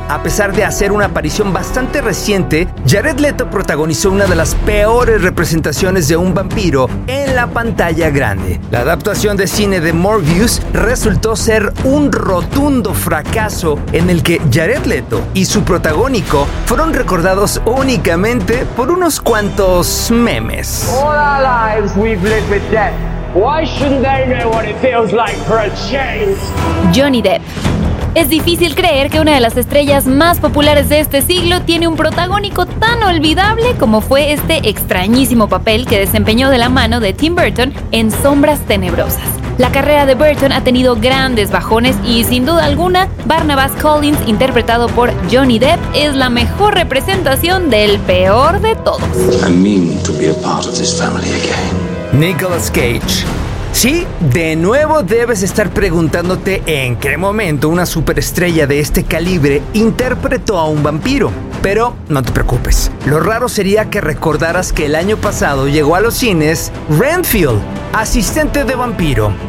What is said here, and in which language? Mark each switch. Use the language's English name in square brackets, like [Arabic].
[Spanish] A pesar de hacer una aparición bastante reciente, Jared Leto protagonizó una de las peores representaciones de un vampiro en la pantalla grande. La adaptación de cine de Morbius resultó ser un rotundo fracaso en el que Jared Leto y su protagónico fueron recordados únicamente por unos cuantos memes. [English] All our lives we've lived with death. Why shouldn't they know what it feels like for a change? Johnny Depp. [Spanish] Es difícil creer que una de las estrellas más populares de este siglo tiene un protagónico tan olvidable como fue este extrañísimo papel que desempeñó de la mano de Tim Burton en Sombras Tenebrosas. La carrera de Burton ha tenido grandes bajones y, sin duda alguna, Barnabas Collins, interpretado por Johnny Depp, es la mejor representación del peor de todos. [English] I mean to be a part of this family again. Nicolas Cage. [Spanish] Sí, de nuevo debes estar preguntándote en qué momento una superestrella de este calibre interpretó a un vampiro. Pero no te preocupes, lo raro sería que recordaras que el año pasado llegó a los cines Renfield, asistente de vampiro.